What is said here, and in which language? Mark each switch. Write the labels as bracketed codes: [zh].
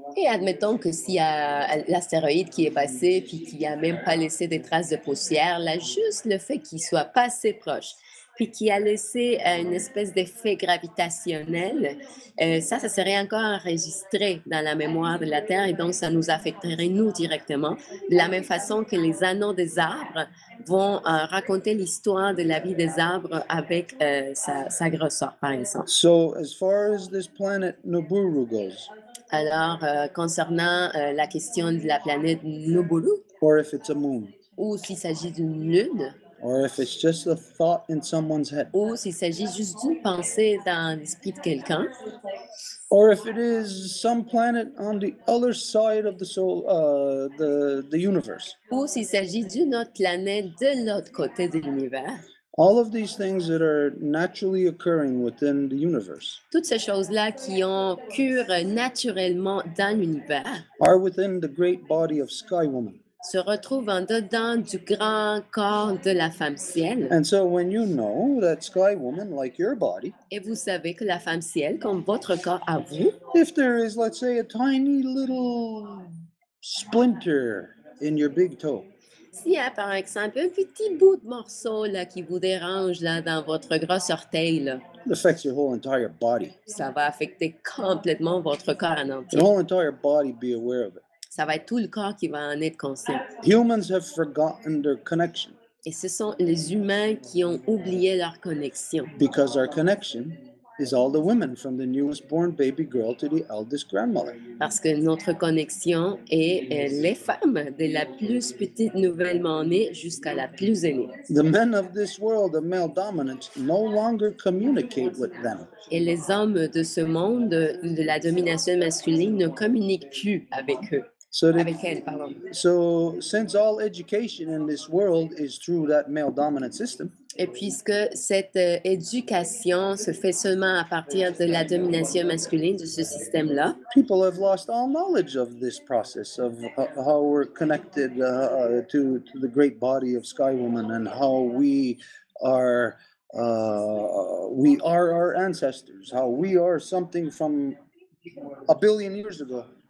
[fr] Et admettons que s'il y a l'astéroïde qui est passé puis qui a même pas laissé des traces de poussière, là, juste le fait qu'il soit passé proche puis qui a laissé une espèce d'effet gravitationnel, ça serait encore enregistré dans la mémoire de la Terre et donc ça nous affecterait nous directement, de la même façon que les anneaux des arbres vont raconter l'histoire de la vie des arbres avec sa grosseur, par exemple. [en] So, as far as this planet Nuburu goes, [fr] alors, concernant la question de la planète Nuburu, [en] or if it's a moon, [fr] ou s'il s'agit d'une lune, [en] or if it's just a thought in someone's head, [fr] ou s'il s'agit juste d'une pensée dans l'esprit de quelqu'un, [en] or if it is some planet on the other side of the soul, the universe, [fr] ou s'il s'agit d'une autre planète de l'autre côté de l'univers. [en] All of these things that are naturally occurring within the universe, [fr] toutes ces choses-là qui ont cure naturellement dans l'univers, [en] are within the great body of Sky Woman, [fr] se retrouve en dedans du grand corps de la femme ciel. [en] And so when you know that Sky Woman, like your body, [fr] et vous savez que la femme ciel, comme votre corps à vous, [en] if there is, let's say, a tiny little splinter in your big toe, [fr] s'il y a, par exemple, un petit bout de morceau là, qui vous dérange là, dans votre gros orteil, là, [en] it affects your whole entire body. [fr] Ça va affecter complètement votre corps en entier. [en] Your whole entire body be aware of it. [fr] Ça va être tout le corps qui va en être conscient. [en] Humans have forgotten their connection. [fr] Et ce sont les humains qui ont oublié leur connexion. [en] Because our connection is all the women from the newest born baby girl to the eldest grandmother. [fr] Parce que notre connexion est les femmes de la plus petite nouvellement née jusqu'à la plus aînée. [en] The men of this world, the male dominance, no longer communicate with them. [fr] Et les hommes de ce monde de la domination masculine ne communiquent plus avec eux. [en] So since all education in this world is through that male dominant system, [fr] et puisque cette éducation se fait seulement à partir de la domination masculine de ce système-là, [en] people have lost all knowledge of this process of how we're connected to the great body of Sky Woman and how we are our ancestors, how we are something from a billion years ago.